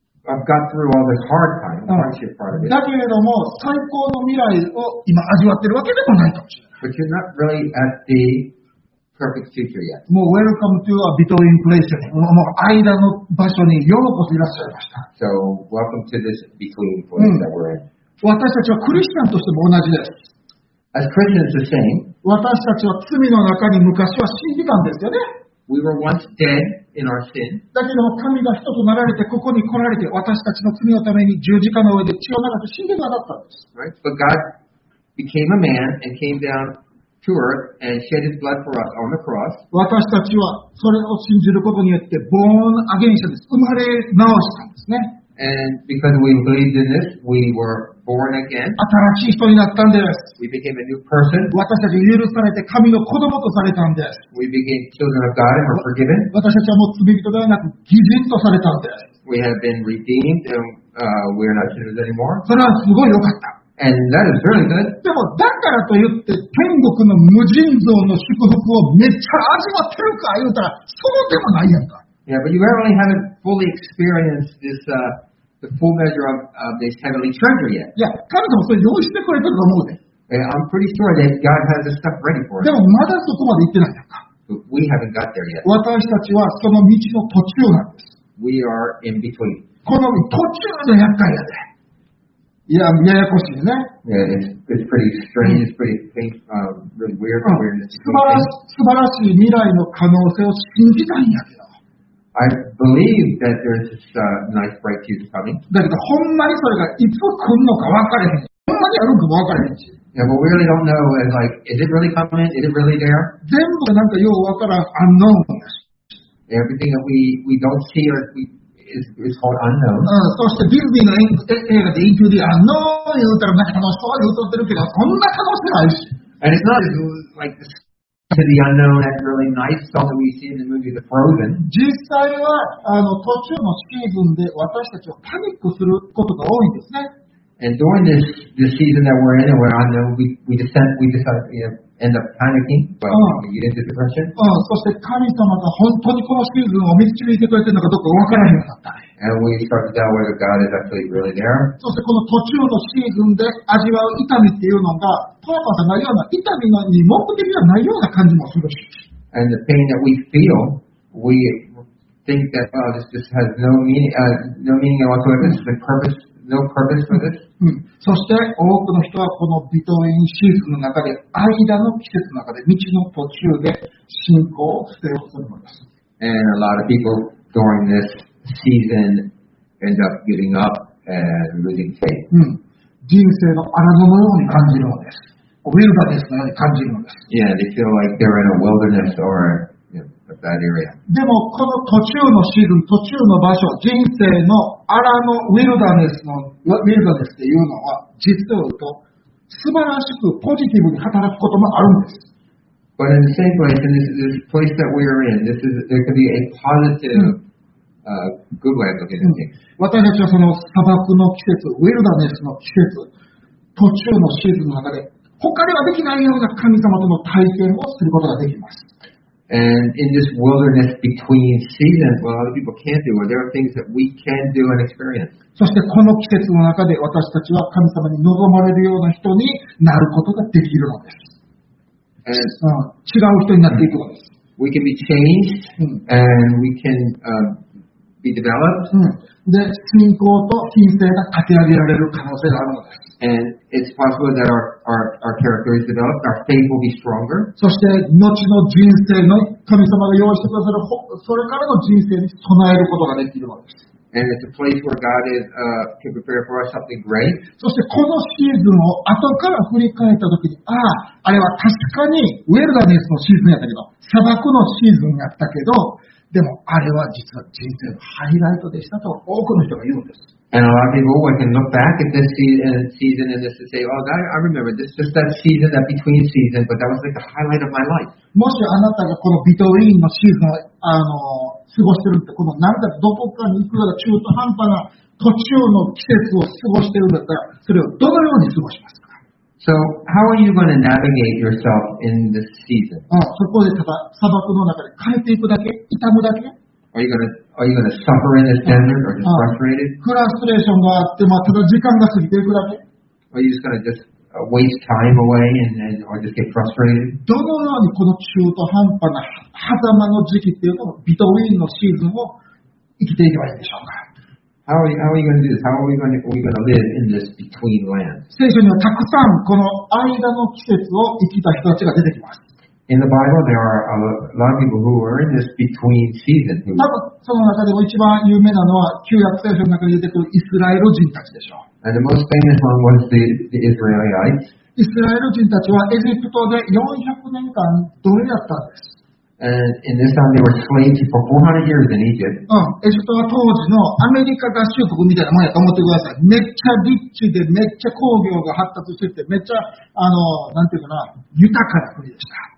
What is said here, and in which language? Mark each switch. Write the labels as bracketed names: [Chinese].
[English] I've got through all this hard time, hardship part of it. [Japanese] だけれども最高の未来を今味わってるわけでもないかもしれない。 [English] But you're not really at the perfect future yet. もう Welcome to a between place. [Japanese] もう間の場所にようこそいらっしゃいました。 [English] So welcome to this between place that we're in. [Japanese] 私たちはクリスチャンとしても同じです。 [English] As Christians the same. [Japanese] 私たちは罪の中に昔は死んでたんですよね。 [English] We were once dead. In our sin. [Japanese] だけども神が人となられてここに来られて私たちの罪のために十字架の上で血を流して死んでくださったんです。 [English] Right? But God became a man and came down to earth and shed his blood for us on the cross. [Japanese] 私たちはそれを信じることによって [English] born again [Japanese] したんです。生まれ直したんですね。 [English] And because we believed in this, we were born again. [Japanese] 新しい人になったんです。 [English] We became a new person. [Japanese] 私たちは許されて神の子供とされたんです。 [English] We became children of God and were forgiven. [Japanese] 私たちはもう罪人ではなく義人とされたんです。 [English] We have been redeemed and we are not sinners anymore. [Japanese] それはすごい良かった。 [English] And that is really good. [Japanese] でもだからといって天国の無尽蔵の祝福をめっちゃ味わってるか言うたらそうでもないやんか。 [English] Yeah, but you really haven't fully experienced this, the full measure of this heavenly treasure yet. [Japanese] Yeah, 神様それ用意してくれてると思うで。 [English] I'm pretty sure that God has this stuff ready for us. [Japanese] でもまだそこまで行ってないのか。 [English] We haven't got there yet. [Japanese] 私たちはその道の途中なんです。 [English] We are in between. [Japanese] この途中の厄介やで。いや、ややこしいね。 [English] Yeah, it's pretty strange, it's pretty strange, really weird, weirdness. [Japanese] 素晴らしい未来の可能性を信じたいんやけど。 [English] I believe that there's this nice bright future coming. [Japanese] だけど、ほんまにそれがいつ来るのか分からへんし、ほんまにあるのか分からへんし。 [English] Yeah, but we really don't know, is like, is it really coming? Is it really there? [Japanese] 全部なんかよくわからん unknown です。 [English] Everything that we don't see or we, is called unknown. [Japanese] そしてディズニーの映画で Into the Unknown 言うたらなんか楽しそうに歌ってるけど、そんな楽しくないし。 [English] And it's not like this, to the unknown, that really nice song that we see in the movie The Frozen. [Japanese] 実際は、途中のシーズンで私たちをパニックすることが多いんですね。 [English] And during this season that we're in and we're on, we decided to end up panicking, but we get into depression. [Japanese] そして神様が本当にこのシーズンを導いてくれてるのかどうかわからなくなった。 [English] And we start to doubt whether God is actually really there. [Japanese] そしてこの途中のシーズンで味わう痛みっていうのが、パパさんのような痛みのに目的がないような感じもするし。 [English] And the pain that we feel, we think that, oh, this just has no meaning whatsoever. This is the purpose. No purpose for this. [Japanese] そして多くの人はこのビトウェインシーズンの中で間の季節の中で道の途中で信仰を捨てようと思います。 [English] And a lot of people during this season end up giving up and losing faith. [Japanese] 人生の荒野のように感じるのです。ウィルダネスのように感じるのです。 [English] Yeah, they feel like they're in a wilderness or a bad area. [Japanese] でもこの途中のシーズン、途中の場所、人生のアラのウィルダネスのウィルダネスっていうのは実を言うと素晴らしくポジティブに働くこともあるんです。 [English] But in the same place, in this place that we are in, this is there could be a positive, good way of looking at things. [Japanese] 私たちはその砂漠の季節、ウィルダネスの季節、途中のシーズンの中で他ではできないような神様との体験をすることができます。 [English] And in this wilderness between seasons, what other people can't do, or there are things that we can do and experience. [Japanese] そしてこの季節の中で私たちは神様に望まれるような人になることができるのです。 [English] And [Japanese] 違う人になっていくのです。 [English] We can be changed, and we can, be developed. [Japanese] で、信仰と品性が立て上げられる可能性があるのです。 [English] And it's possible that our character is developed, our faith will be stronger. [Japanese] そして後の人生の神様が用意してくださるそれからの人生に備えることができるわけです。 [English] And it's a place where God is, can prepare for us something great. [Japanese] そしてこのシーズンを後から振り返ったときに、ああ、あれは確かにウェルダネスのシーズンやったけど、砂漠のシーズンやったけど、でもあれは実は人生のハイライトでしたと多くの人が言うんです。 [English] And a lot of people, when they look back at this season and this, and say, oh, that, I remember this, just that season, that between season, but that was like the highlight of my life. [Japanese] もしあなたがこのビトウィーンのシーズンを過ごしてるって、この何だかどこかに行くような中途半端な途中の季節を過ごしてるんだったら、それをどのように過ごしますか? [English] So, how are you going to navigate yourself in this season? [Japanese] そこでただ砂漠の中で枯れていくだけ、痛むだけ。 [English] Are you gonna suffer in this desert or just frustrated? [Japanese] フラストレーションがあって、まあ、ただ時間が過ぎていくだけ。 [English] Are you just gonna just waste time away and or just get frustrated? [Japanese] どのようにこの中途半端な狭間の時期っていうのをビトウィーンのシーズンを生きていけばいいでしょうか。 [English] How are you gonna do this? How are we gonna live in this between land? [Japanese] 聖書にはたくさんこの間の季節を生きた人たちが出てきます。 [English] In the Bible, there are a lot of people who are in this between season. [Japanese] 多分その中でも一番有名なのは旧約聖書の中に出てくるイスラエル人たちでしょう。 [English] And the most famous one was the Israelites. [Japanese] イスラエル人たちはエジプトで400年間奴隷だったんです。 [English] And in this time, they were slaves for 400 years in Egypt. [Japanese] エジプトは当時のアメリカ合衆国みたいなもんやと思ってください。めっちゃリッチでめっちゃ工業が発達してて、めっちゃなんていうかな豊かな国でした。